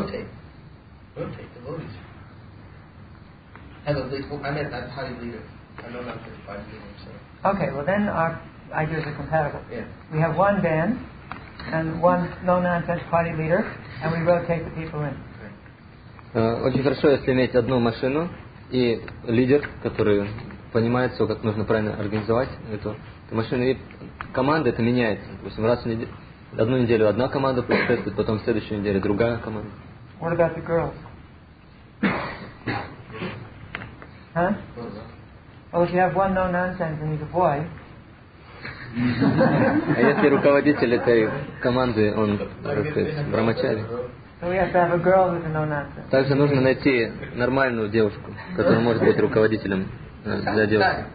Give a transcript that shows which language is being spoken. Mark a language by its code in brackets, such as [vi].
[en] Rotate. Rotate the devotees. Okay, well then our ideas are compatible. Yeah. We have one van and one no-nonsense party leader, and we rotate the people in. [ru] Очень хорошо, если иметь одну машину и лидер, который понимает, как нужно правильно организовать эту машину. И команда это меняется. Допустим, раз в неделю, одну неделю одна команда путешествует, потом в следующую неделю другая команда. [en] What about the girls? Huh? Well, if you have one no-nonsense and he's a boy. [ru] А если руководитель этой команды, он, брамачари. [en] So we have to have a girl who's a no-nonsense. [ru] Также нужно найти нормальную девушку, которая может быть руководителем для девушки.